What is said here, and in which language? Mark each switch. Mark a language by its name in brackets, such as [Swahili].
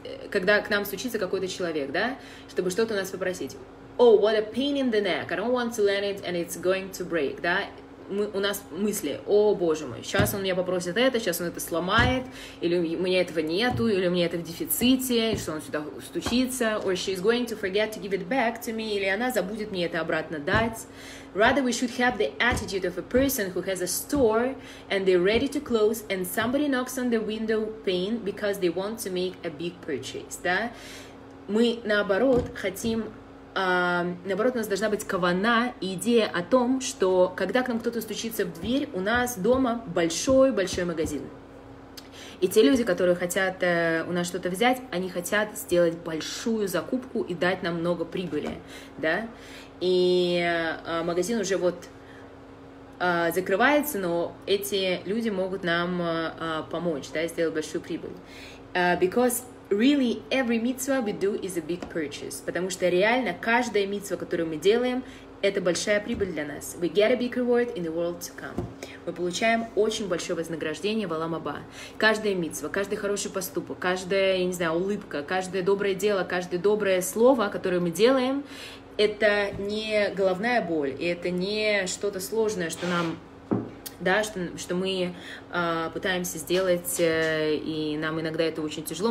[Russian] Когда к нам стучится какой-то человек, да, чтобы что-то у нас попросить. [English] Oh, what a pain in the neck, I don't want to learn it, and it's going to break, да. [Russian] У нас мысли: о, боже мой, сейчас он меня попросит это, сейчас он это сломает, или у меня этого нету, или у меня это в дефиците, и что он сюда стучится, [English] or she's going to forget to give it back to me, [Russian] или она забудет мне это обратно дать. [English] Rather, we should have the attitude of a person who has a store, and they're ready to close, and somebody knocks on the window pane, because they want to make a big purchase, да? [Russian] Мы, наоборот, хотим... Наоборот, у нас должна быть кавана и идея о том, что когда к нам кто-то стучится в дверь, у нас дома большой-большой магазин. И те люди, которые хотят у нас что-то взять, они хотят сделать большую закупку и дать нам много прибыли, да? И магазин уже вот закрывается, но эти люди могут нам помочь, да, сделать большую прибыль. [English] Because really every mitzvah we do is a big purchase. [Russian] Потому что реально каждая мицва, которую мы делаем, это большая прибыль для нас. [English] We get a big reward in the world to come. [Russian] Мы получаем очень большое вознаграждение в Олам Аба. Каждая мицва, каждый хороший поступок, каждая, я не знаю, улыбка, каждое доброе дело, каждое доброе слово, которое мы делаем, это не головная боль, и это не что-то сложное, что нам, да, что мы пытаемся сделать, и нам иногда это очень тяжело.